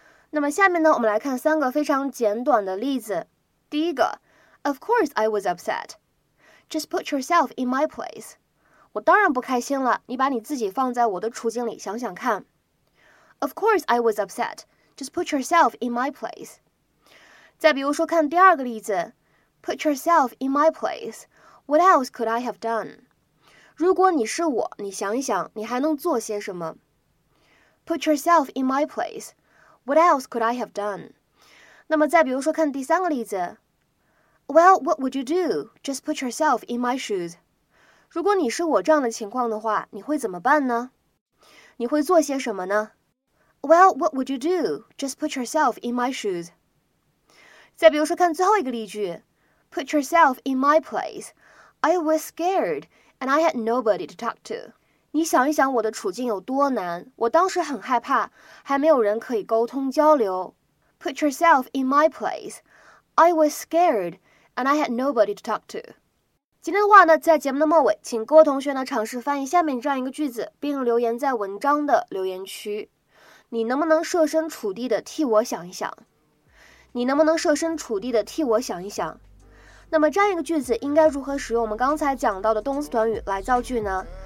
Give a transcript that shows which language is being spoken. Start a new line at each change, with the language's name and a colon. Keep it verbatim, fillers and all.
Chinese: 那么下面呢，我们来看三个非常简短的例子。第一个
English: ，Of course I was upset. Just put yourself in my place.
Chinese: 我当然不开心了，你把你自己放在我的处境里想想看。
English: Of course I was upset. Just put yourself in my place.
Chinese: 再比如说，看第二个例子 ，
English: Put yourself in my place. What else could I have done?
Chinese: 如果你是我，你想一想，你还能做些什么 ？
English: Put yourself in my place. What else could I have done?
Chinese: 那么再比如说，看第三个例子
English: Well, what would you do? Just put yourself in my shoes.
Chinese: 如果你是我这样的情况的话，你会怎么办呢？你会做些什么呢？
English: Well, what would you do? Just put yourself in my shoes.
Chinese: 再比如说，看最后一个例句
English: Put yourself in my place. I was scared and I had nobody to talk to.
Chinese: 你想一想我的处境有多难，我当时很害怕，还没有人可以沟通交流。
English: Put yourself in my place. I was scared, and I had nobody to talk to.
Chinese: 今天的话呢，在节目的末尾，请各位同学呢尝试翻译下面这样一个句子，并留言在文章的留言区。你能不能设身处地的替我想一想？你能不能设身处地的替我想一想？那么这样一个句子应该如何使用我们刚才讲到的动词短语来造句呢？